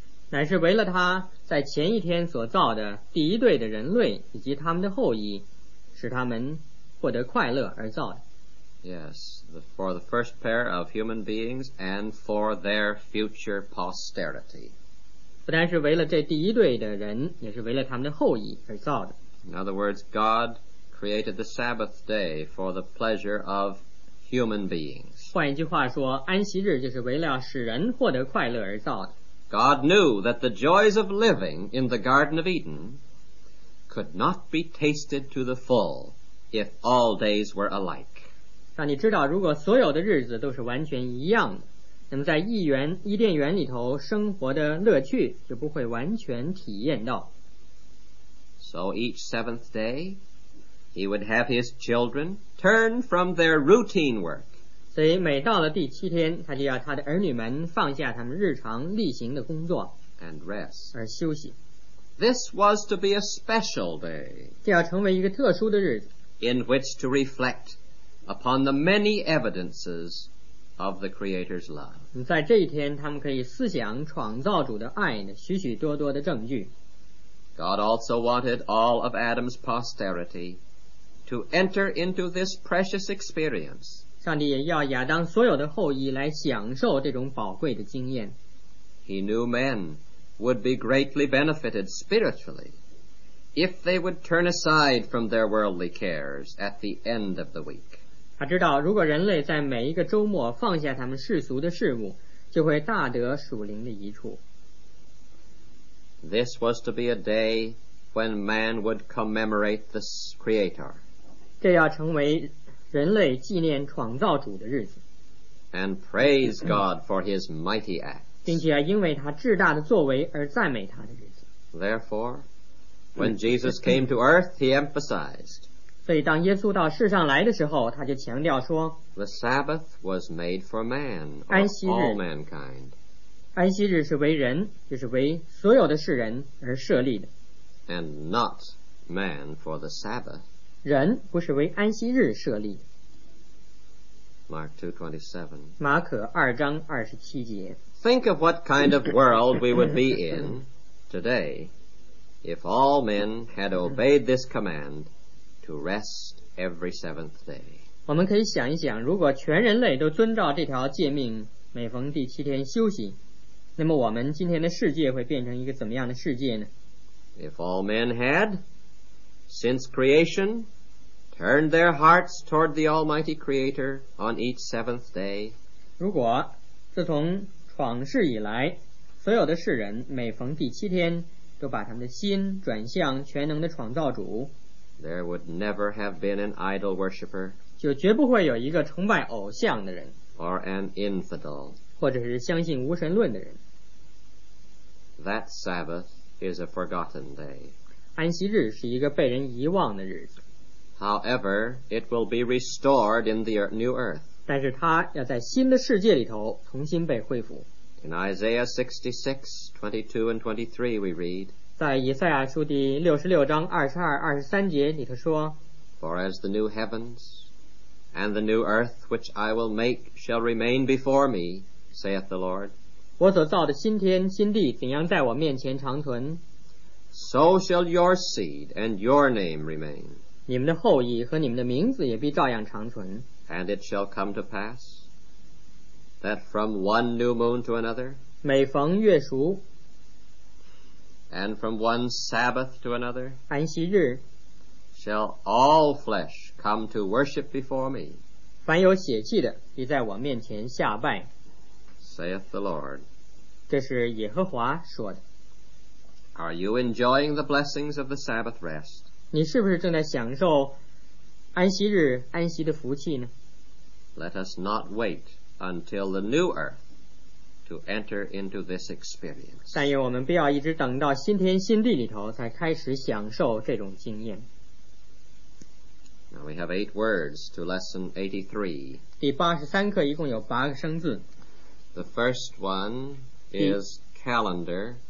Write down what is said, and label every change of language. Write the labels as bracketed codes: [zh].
[zh] 乃是为了他在前一天所造的第一对的人类以及他们的后裔，使他们获得快乐而造的。 [en] Yes, for the first pair of human beings and for their future posterity. [zh] 不但是为了这第一对的人，也是为了他们的后裔而造的。 [en] In other words, God created the Sabbath day for the pleasure of human beings. [zh] 换一句话说，安息日就是为了使人获得快乐而造的。 [en] God knew that the joys of living in the Garden of Eden. Could not be tasted to the full if all days were alike. [zh] 让你知道，如果所有的日子都是完全一样的，那么在伊甸园里头生活的乐趣就不会完全体验到。 [en] So each seventh day He would have his children turn from their routine work. [zh] 所以每到了第七天，他就要他的儿女们放下他们日常例行的工作 [en] and rest. [zh] 而休息。 [en] This was to be a special day. [zh] 这要成为一个特殊的日子。 [en] In which to reflect upon the many evidences of the Creator's love. [zh] 在这一天，他们可以思想创造主的爱的许许多多的证据。 [en] God also wanted all of Adam's posterity to enter into this precious experience. [zh] 上帝也要亚当所有的后裔来享受这种宝贵的经验。 [en] He knew men would be greatly benefited spiritually if they would turn aside from their worldly cares at the end of the week. [zh] 他知道如果人类在每一个周末放下他们世俗的事物，就会大得属灵的益处。 [en] This was to be a day when man would commemorate the Creator. [zh] 这要成为人类纪念创造主的日子。 [en] And praise God for His mighty acts. [zh] 并且因为他至大的作为而赞美他的日子。 [en] Therefore, when Jesus came to earth, He emphasized. [zh] 所以当耶稣到世上来的时候，他就强调说 [en] ，The Sabbath was made for man, or all mankind. [zh] 安息日是为人，就是为所有的世人而设立的。 [en] And not man for the Sabbath. [zh] 人不是为安息日设立的。 [en] Mark 2:27. [zh] 马可二章二十七节。 [en] Think of what kind of world we would be in today if all men had obeyed this command to rest every seventh day. [zh] 我们可以想一想，如果全人类都遵照这条诫命，每逢第七天休息。那么我们今天的世界会变成一个怎么样的世界呢 [en] If all men had, since creation, turned their hearts toward the Almighty Creator on each seventh day, [zh] 如果自从创世以来，所有的世人每逢第七天都把他们的心转向全能的创造主 [en] there would never have been an idol worshipper, [zh] 就绝不会有一个崇拜偶像的人 [en] or an infidel. [zh] 或者是相信无神论的人。 [en] That Sabbath is a forgotten day. [zh] 安息日是一个被人遗忘的日子。 [en] However, it will be restored in the new earth. [zh] 但是它要在新的世界里头重新被恢复。 [en] In Isaiah 66:22-23, we read. [zh] 在以赛亚书第六十六章二十二、二十三节里头说。 [en] For as the new heavens and the new earth which I will make shall remain before me. saith the Lord [zh] 我所造的新天新地怎样在我面前长存 [en] so shall your seed and your name remain [zh] 你们的后裔和你们的名字也必照样长存 [en] and it shall come to pass that from one new moon to another [zh] 每逢月熟 [en] and from one Sabbath to another [zh] 安息日 [en] shall all flesh come to worship before me [zh] 凡有血气的必在我面前下拜 [en] saith the Lord [zh] 这是耶和华说的 [en] Are you enjoying the blessings of the Sabbath rest? [zh] 你是不是正在享受安息日安息的福气呢 [en] Let us not wait until the new earth to enter into this experience [zh] 但愿我们不要一直等到新天新地里头才开始享受这种经验 [en] Now we have 8 words to lesson 83 [zh] 第八十三课一共有八个生字 [en] The first one is calendar.